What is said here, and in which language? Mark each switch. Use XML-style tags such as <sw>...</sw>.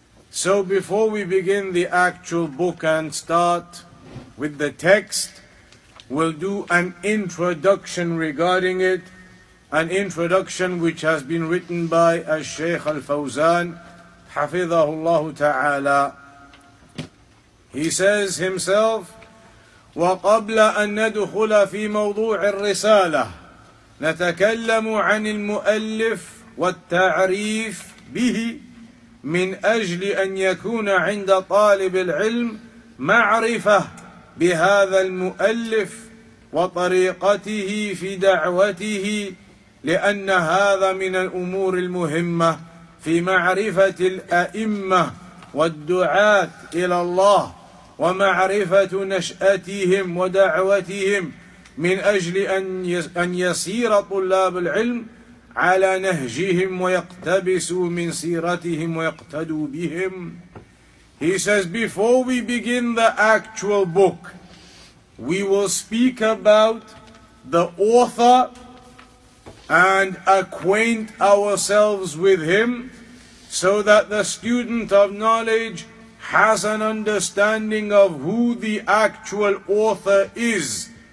<en>So before we begin the actual book and start with the text, we'll do an introduction regarding it, an introduction which has been written by al-Shaykh al-Fawzan, hafidhahullahu ta'ala. He says himself,</en> <ar>وَقَبْلَ أَن نَدُخُلَ فِي مَوْضُوعِ الرِّسَالَةِ نَتَكَلَّمُ عَنِ الْمُؤَلِّفِ والتعريف به من أجل أن يكون عند طالب العلم معرفة بهذا المؤلف وطريقته في دعوته، لأن هذا من الأمور المهمة في معرفة الأئمة والدعاة إلى الله، ومعرفة نشأتهم ودعوتهم، من أجل أن يسير طلاب العلم على نهجهم ويقتبسوا من سيرتهم ويقتدوا بهم.</ar> <en>He says, before we begin the actual book, we will speak about the author and acquaint ourselves with him, so that the student of knowledge has an understanding of who the actual author is</en>